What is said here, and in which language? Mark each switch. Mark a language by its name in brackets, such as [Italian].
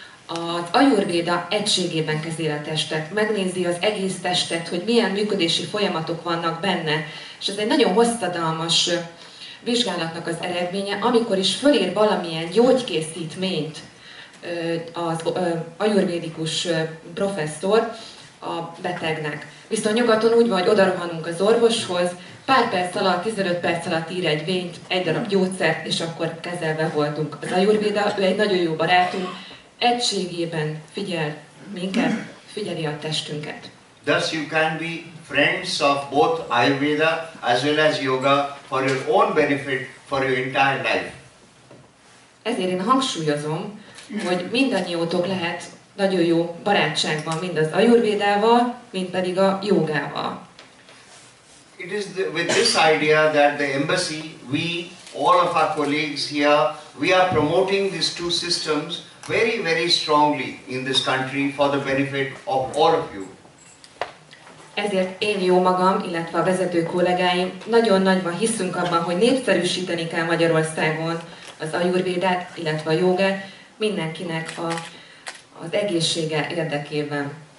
[Hungarian] Az Ayurveda egységében kezeli a testet, megnézi az egész testet, hogy milyen működési folyamatok vannak benne, és ez egy nagyon hosszadalmas vizsgálatnak az eredménye, amikor is fölír valamilyen gyógykészítményt az ajurvédikus professzor a betegnek. Viszont nyugaton úgy van, hogy odarohanunk az orvoshoz, pár perc alatt, 15 perc alatt ír egy vényt, egy darab gyógyszert, és akkor kezelve voltunk. Az Ayurveda, ő egy nagyon jó barátunk, egységében figyel minket, figyeli a testünket. [English] Thus you can be friends of both Ayurveda as well as yoga for your own benefit for your entire life. [Hungarian] Ezért én hangsúlyozom, hogy mindannyiótok lehet nagyon jó barátságban, mind az Ayurvédával, mind pedig a jogával. [English] It is with this idea that the embassy, we, all of our colleagues here, we are promoting these two systems very, very strongly in this country for the benefit of all of you. [Hungarian] Ezért én jó magam, illetve a vezető kollégáim nagyon nagyban hiszünk abban, hogy népszerűsíteni kell Magyarországon az Ayurvédát, illetve a jogát mindenkinek az egészsége érdekében.